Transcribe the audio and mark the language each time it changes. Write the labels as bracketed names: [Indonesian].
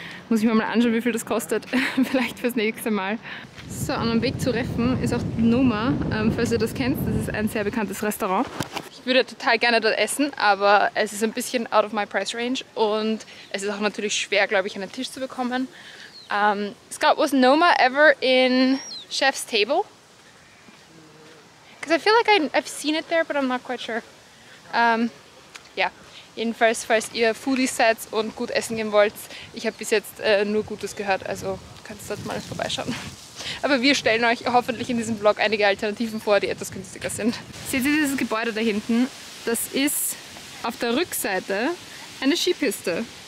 [German] Muss ich mir mal anschauen, wie viel das kostet. Vielleicht fürs nächste Mal. So, und am Weg zu Reffen ist auch die Noma, falls ihr das kennt. Das ist ein sehr bekanntes Restaurant. Ich würde total gerne dort essen, aber es ist ein bisschen [English] out of my price range. [German] Und es ist auch natürlich schwer, glaube ich, einen Tisch zu bekommen. [English] Scott, was Noma ever in Chef's Table? Because I feel like I've seen it there, but I'm not quite sure. [German] Jedenfalls, falls ihr Foodies seid und gut essen gehen wollt, ich habe bis jetzt nur Gutes gehört, also könnt ihr dort mal vorbeischauen. Aber wir stellen euch hoffentlich in diesem Vlog einige Alternativen vor, die etwas günstiger sind. Seht ihr dieses Gebäude da hinten? Das ist auf der Rückseite eine Skipiste.